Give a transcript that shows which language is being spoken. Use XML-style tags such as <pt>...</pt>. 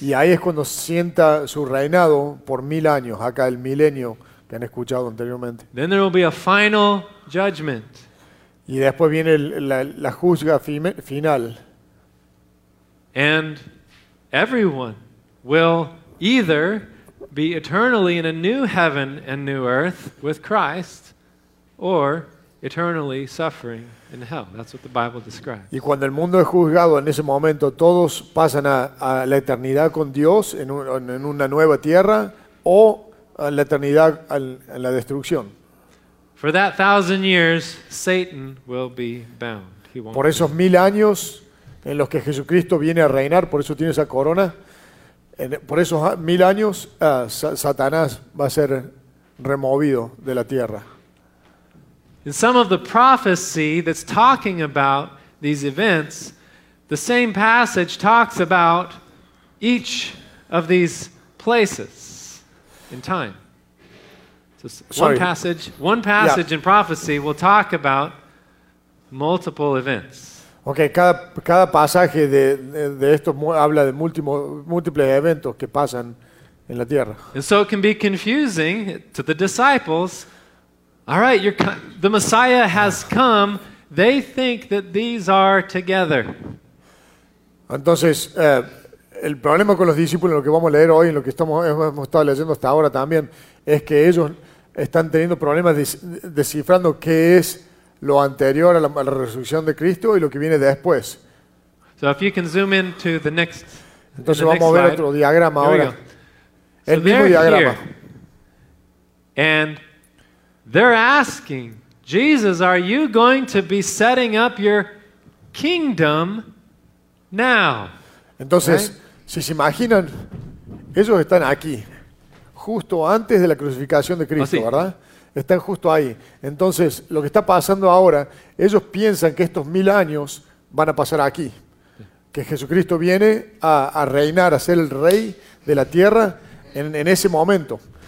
<es>Y ahí es cuando sienta su reinado por 1,000 años, acá el milenio que han escuchado anteriormente.</es> <en>Then there will be a final judgment.</en> <es>Y después viene la juzga final.</es> <en>And everyone will either be eternally in a new heaven and new earth with Christ, or eternally suffering in hell. That's what the Bible describes.</en> <es>Y cuando el mundo es juzgado, en ese momento todos pasan a la eternidad con Dios en una nueva tierra, o a la eternidad en la destrucción.</es> <en>For that 1,000 years, Satan will be bound. He won't.</en> <es>Por esos 1,000 años en los que Jesucristo viene a reinar, por eso tiene esa corona. Por esos 1,000 años, Satanás va a ser removido de la tierra.</es> <en>In some of the prophecy that's talking about these events, the same passage talks about each of these places in time. One passage in prophecy will talk about multiple events.</en> <es>Okay, cada pasaje de esto habla de múltiples eventos que pasan en la tierra.</es> <en>And so it can be confusing to the disciples. All right, the Messiah has come. They think that these are together.</en> <es>Entonces, el problema con los discípulos, lo que vamos a leer hoy, lo que hemos estado leyendo hasta ahora también, es que ellos están teniendo problemas descifrando qué es lo anterior a la resurrección de Cristo y lo que viene después.</es> <en>So if you can zoom into the next,</en> <es>entonces</es> <en>the</en> <es>vamos a ver</es> <en>slide.</en> <es>Otro diagrama ahora. El</es> <en>so</en> <es>mismo diagrama.</es> <en>Here. And they're asking, Jesus, are you going to be setting up your kingdom now?</en> <es>Entonces,</es> <en>right?</en> <es>Si se imaginan, ellos están aquí. Justo antes de la crucificación de Cristo, ¿verdad? Están justo ahí. Entonces, lo que está pasando ahora, ellos piensan que estos 1,000 años van a pasar aquí. Que Jesucristo viene a reinar, a ser el rey de la tierra en ese momento.</es>